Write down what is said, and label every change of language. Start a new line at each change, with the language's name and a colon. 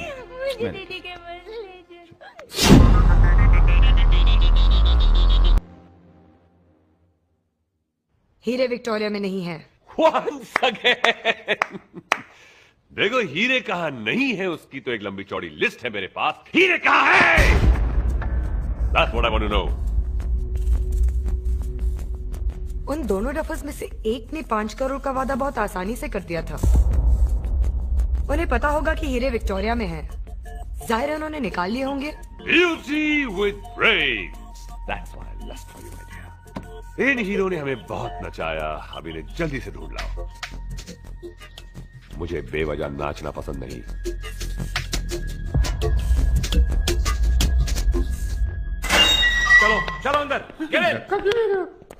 Hindi: हूँ। मुझे दीदी के पास ले जाना। हीरे विक्टोरिया में नहीं है।
English: Once again!
Hindi: देखो हीरे कहाँ नहीं है उसकी तो एक लंबी चौड़ी लिस्ट है मेरे पास। हीरे कहाँ है?
English: That's what I want to know.
Hindi: उन दोनों डफर्स में से एक ने 5 करोड़ का वादा बहुत आसानी से कर दिया था। उन्हें पता होगा कि हीरे विक्टोरिया में है, जाहिर उन्होंने निकाल लिए होंगे।
English: Beauty with brains. That's why I lust for you, my dear.
Hindi: In hero ने हमें बहुत नचाया, अब इन्हें जल्दी से ढूंढ लाओ। मुझे बेवजह नाचना पसंद नहीं। चलो चलो अंदर।